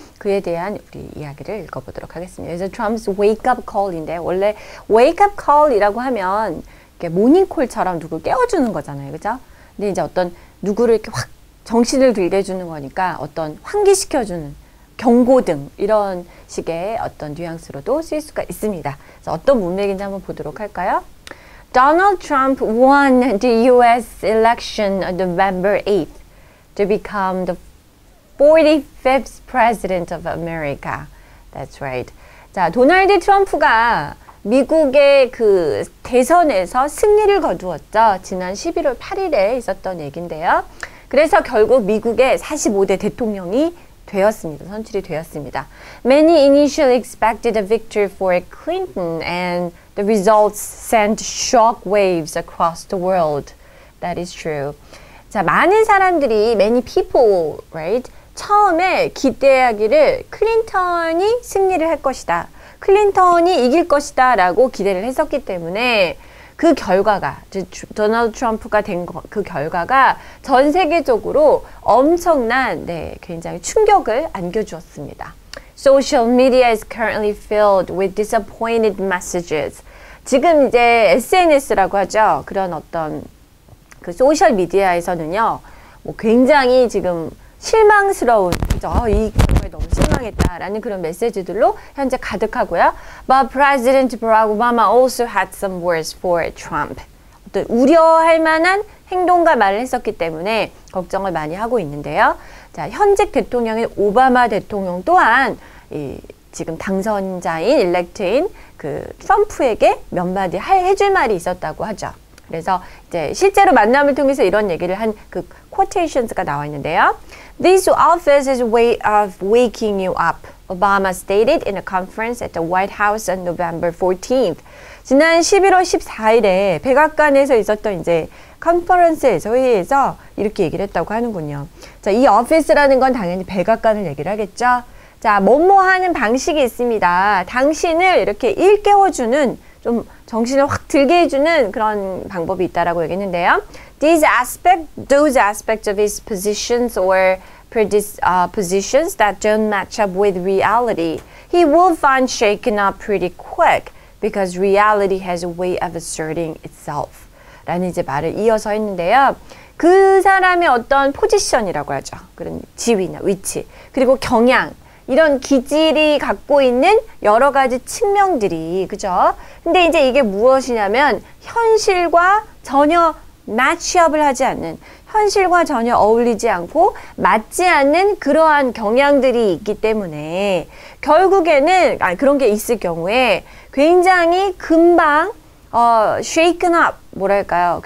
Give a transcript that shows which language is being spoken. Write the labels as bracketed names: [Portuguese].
[Korean] 그에 대한 우리 이야기를 읽어보도록 하겠습니다. 그래서 [English] Trump's wake up call [Korean] 인데 원래 wake up call이라고 하면 모닝콜처럼 누굴 깨워주는 거잖아요. 그죠? 근데 이제 어떤 누구를 이렇게 확 정신을 들게 주는 거니까 어떤 환기시켜주는 경고등 이런 식의 어떤 뉘앙스로도 쓰일 수가 있습니다. 그래서 어떤 문맥인지 한번 보도록 할까요? [English] Donald Trump won the US election on November 8th to become the 45th president of America. That's right. [Korean] 자, 도널드 트럼프가 미국의 그 대선에서 승리를 거두었죠. 지난 11월 8일에 있었던 얘긴데요. 그래서 결국 미국의 45대 대통령이 되었습니다. 선출이 되었습니다. [English] Many initially expected a victory for Clinton and the results sent shockwaves across the world. That is true. [Korean] 자, 많은 사람들이 [English] many people, right? [Korean] 처음에 기대하기를 클린턴이 승리를 할 것이다. 클린턴이 이길 것이다 라고 기대를 했었기 때문에 그 결과가 도널드 트럼프가 된 그 결과가 전 세계적으로 엄청난 네 굉장히 충격을 안겨주었습니다. [English] Social media is currently filled with disappointed messages. [Korean] 지금 이제 SNS라고 하죠. 그런 어떤 그 소셜 미디어에서는요. 뭐 굉장히 지금 실망스러운 너무 실망했다라는 그런 메시지들로 현재 가득하고요. [English] But President Barack Obama also had some words for Trump. [Korean] 어떤 우려할 만한 행동과 말을 했었기 때문에 걱정을 많이 하고 있는데요. 자, 현직 대통령인 오바마 대통령 또한 이 지금 당선자인 elect인 그 트럼프에게 몇 마디 해줄 말이 있었다고 하죠. 그래서 이제 실제로 만남을 통해서 이런 얘기를 한 그 quotations가 나와 있는데요. [English] This office is a way of waking you up, Obama stated in a conference at the White House on November 14th. [Korean] 지난 11월 14일에 백악관에서 있었던 이제 컨퍼런스에서 회의에서 이렇게 얘기를 했다고 하는군요. 자, 이 office라는 건 당연히 백악관을 얘기를 하겠죠. 자, 뭐뭐 하는 방식이 있습니다. 당신을 이렇게 일깨워주는 좀 정신을 확 들게 해주는 그런 방법이 있다라고 얘기했는데요. [English] These aspects, those aspects of his positions or positions that don't match up with reality, he will find shaken up pretty quick because reality has a way of asserting itself. [Korean] 라는 이제 말을 이어서 했는데요. 그 사람의 어떤 포지션이라고 하죠. 그런 지위나 위치, 그리고 경향. 이런 기질이 갖고 있는 여러 가지 측면들이, 그죠? 근데 이제 이게 무엇이냐면, 현실과 전혀 매치업을 하지 않는, 현실과 전혀 어울리지 않고 맞지 않는 그러한 경향들이 있기 때문에, 결국에는, 그런 게 있을 경우에, 굉장히 금방, [English] shaken up, [Korean] 뭐랄까요?